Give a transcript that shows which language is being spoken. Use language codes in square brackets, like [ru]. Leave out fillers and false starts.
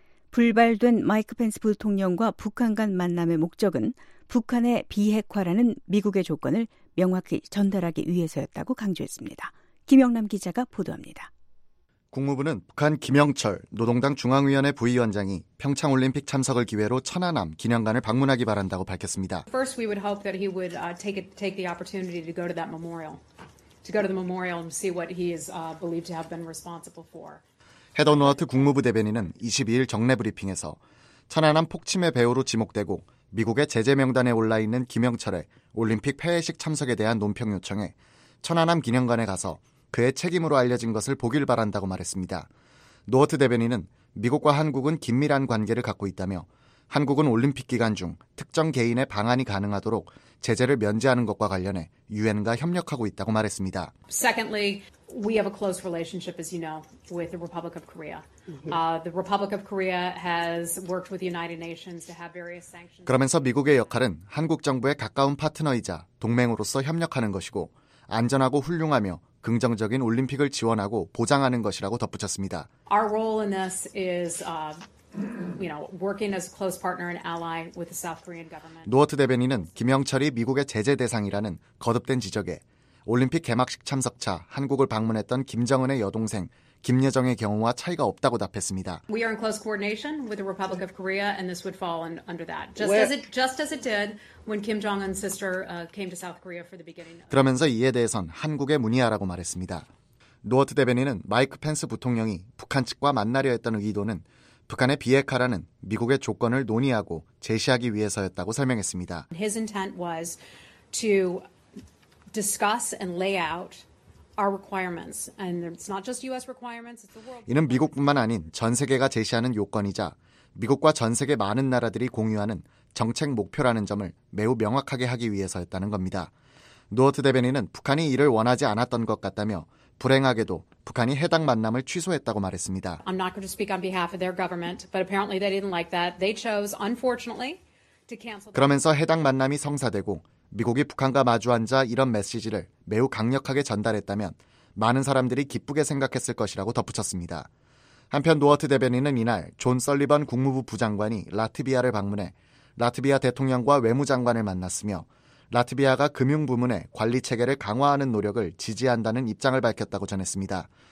[ko] 불발된 마이크 펜스 부통령과 북한 간 만남의 목적은 북한의 비핵화라는 미국의 조건을 명확히 전달하기 위해서였다고 강조했습니다. 김영남 기자가 보도합니다. 국무부는 북한 김영철 노동당 중앙위원회 부위원장이 평창올림픽 참석을 기회로 천안함 기념관을 방문하기 바란다고 밝혔습니다. [en] First, we would hope that he would take the opportunity to go to that memorial, to go to the memorial and see what he is believed to have been responsible for. [ko] 헤더 노아트 국무부 대변인은 22일 정례 브리핑에서 천안함 폭침의 배후로 지목되고 미국의 제재 명단에 올라 있는 김영철의 올림픽 폐회식 참석에 대한 논평 요청에 천안함 기념관에 가서 그의 책임으로 알려진 것을 보길 바란다고 말했습니다. 노어트 대변인은 미국과 한국은 긴밀한 관계를 갖고 있다며 한국은 올림픽 기간 중 특정 개인의 방한이 가능하도록 제재를 면제하는 것과 관련해 유엔과 협력하고 있다고 말했습니다. [en] Secondly, we have a close relationship, as you know, with the Republic of Korea. The Republic of Korea has worked with the United Nations to have various sanctions. [ko] 그러면서 미국의 역할은 한국 정부의 가까운 파트너이자 동맹으로서 협력하는 것이고 안전하고 훌륭하며 긍정적인 올림픽을 지원하고 보장하는 것이라고 덧붙였습니다. [en] Our role in this is, you know, working as a close partner and ally with the South Korean government. [ko] 노어트 대변인은 김영철이 미국의 제재 대상이라는 거듭된 지적에 올림픽 개막식 참석차 한국을 방문했던 김정은의 여동생 김여정의 경우와 차이가 없다고 답했습니다. [en] We are in close coordination with the Republic of Korea, and this would fall under that. Just as it did when Kim Jong-un's sister came to South Korea for the beginning. [ko] 그러면서 이에 대해선 한국에 문의하라고 말했습니다. 노어트 대변인은 마이크 펜스 부통령이 북한 측과 만나려 했던 의도는 북한의 비핵화라는 미국의 조건을 논의하고 제시하기 위해서였다고 설명했습니다. [en] His intent was to discuss and lay out our requirements, and it's not just U.S. requirements. It's the world. [ko] 이는 미국뿐만 아닌 전 세계가 제시하는 요건이자 미국과 전 세계 많은 나라들이 공유하는 정책 목표라는 점을 매우 명확하게 하기 위해서였다는 겁니다. 노어트 대변인은 북한이 이를 원하지 않았던 것 같다며 불행하게도 북한이 해당 만남을 취소했다고 말했습니다. [en] I'm not going to speak on behalf of their government, but apparently they didn't like that. They chose, unfortunately, to cancel. [ko] 그러면서 해당 만남이 성사되고 미국이 북한과 마주앉아 이런 메시지를 매우 강력하게 전달했다면 많은 사람들이 기쁘게 생각했을 것이라고 덧붙였습니다. 한편 노어트 대변인은 이날 존 설리번 국무부 부장관이 라트비아를 방문해 라트비아 대통령과 외무장관을 만났으며 라트비아가 금융 부문의 관리 체계를 강화하는 노력을 지지한다는 입장을 밝혔다고 전했습니다.